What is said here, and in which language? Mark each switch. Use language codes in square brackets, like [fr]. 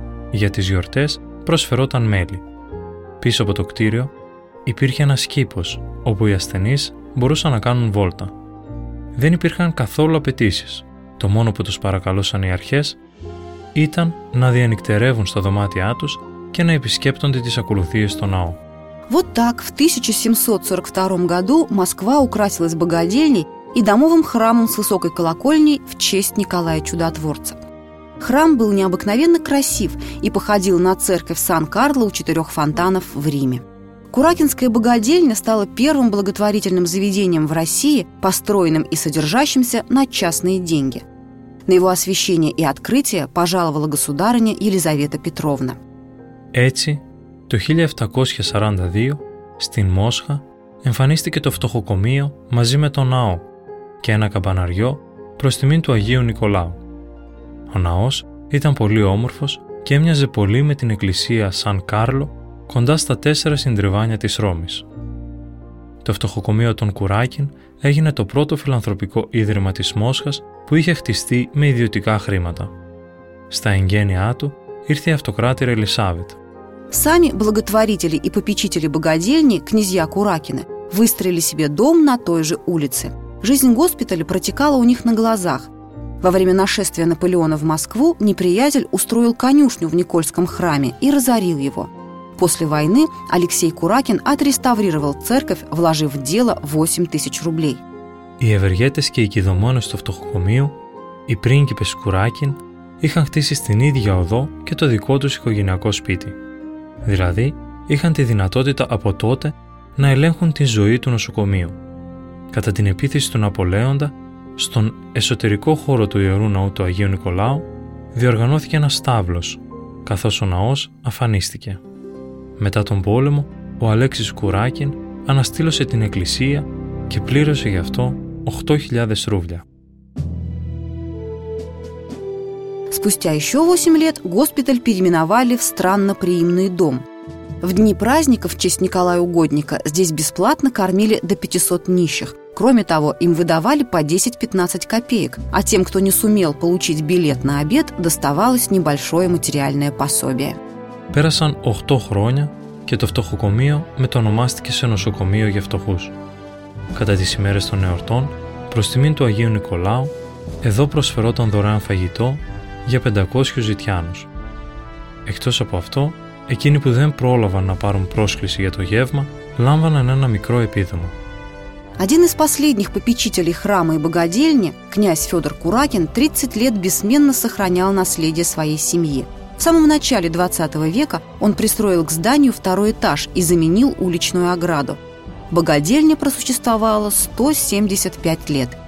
[el] Για τις γιορτές προσφερόταν μέλι. Πίσω από το κτίριο υπήρχε ένας κήπος όπου οι ασθενείς μπορούσαν να κάνουν βόλτα. Δεν υπήρχαν καθόλου απαιτήσεις. Το μόνο που τους παρακαλούσαν οι αρχές ήταν να διανυκτερεύουν στα δωμάτια τους και να επισκέπτονται τις ακολουθίες στο ναό. [ru] Вот так в 1742 году Москва украсилась богадельней и домовым храмом с высокой колокольней в честь Николая Чудотворца. Храм был необыкновенно красив и походил на церковь Сан-Карло у четырех фонтанов в Риме. Куракинская богадельня стала первым благотворительным заведением в России, построенным и содержащимся на частные деньги. На его освящение и открытие пожаловала государыня Елизавета Петровна. [el] Έτσι, το 1742, στην Μόσχα, εμφανίστηκε το φτωχοκομείο μαζί με τον ναό και ένα καμπαναριό προς τιμήν του Αγίου Νικολάου. Ο ναός ήταν πολύ όμορφος και έμοιαζε πολύ με την εκκλησία Σαν Κάρλο κοντά στα τέσσερα συντριβάνια της Ρώμης. Το φτωχοκομείο των Κουράκιν έγινε το πρώτο φιλανθρωπικό ίδρυμα της Μόσχας που είχε χτιστεί με ιδιωτικά χρήματα. Στα εγγένειά του ήρθε η αυτοκράτηρα Ελισάβετ. [ru] Сами благотворители и попечители богадельни, князья Куракины, выстроили себе дом на той же улице. Жизнь госпиталя протекала у них на глазах. Во время нашествия Наполеона в Москву неприятель устроил конюшню в Никольском храме и разорил его. После войны Алексей Куракин отреставрировал церковь, вложив в дело 8000 рублей. [el] Οι ευεργέτες και οι κηδωμόνες του φτωχοκομείου, οι πρίγκιπες Κουράκιν, είχαν χτίσει στην ίδια οδό και το δικό τους οικογενειακό σπίτι. Δηλαδή, είχαν τη δυνατότητα από τότε να ελέγχουν τη ζωή του νοσοκομείου. Κατά την επίθεση του Ναπολέοντα, στον εσωτερικό χώρο του Ιερού Ναού του Αγίου Νικολάου, διοργανώθηκε ένας στάβλος, καθώς ο ναός αφανίστηκε. Μετά τον πόλεμο, ο Αλέξης Κουράκιν αναστήλωσε την εκκλησία και πλήρωσε γι' αυτό 8.000 ρούβλια. [ru] Спустя еще 8 лет госпиталь переименовали в странно-приимный дом. В дни праздников в честь Николая Угодника здесь бесплатно кормили до 500 нищих, Кроме того, им выдавали по 10-15 копеек, а тем, кто не сумел получить билет на обед, доставалось небольшое материальное пособие. [el] Пέρασαν 8 χρόνια και το φτωχοκομείο μετονομάστηκε σε νοσοκομείο για φτωχούς. Κατά τις ημέρες των εορτών, προς τιμήν του Αγίου Νικολάου, εδώ προσφερόταν δωρεάν φαγητό για 500 ζητιάνους. Εκτός από αυτό, εκείνοι που δεν πρόλαβαν να πάρουν πρόσκληση για το γεύμα, λάμβαναν ένα μικρό επίδομα. [ru] Один из последних попечителей храма и богадельни, князь Федор Куракин, 30 лет бессменно сохранял наследие своей семьи. В самом начале 20 века он пристроил к зданию второй этаж и заменил уличную ограду. Богадельня просуществовала 175 лет.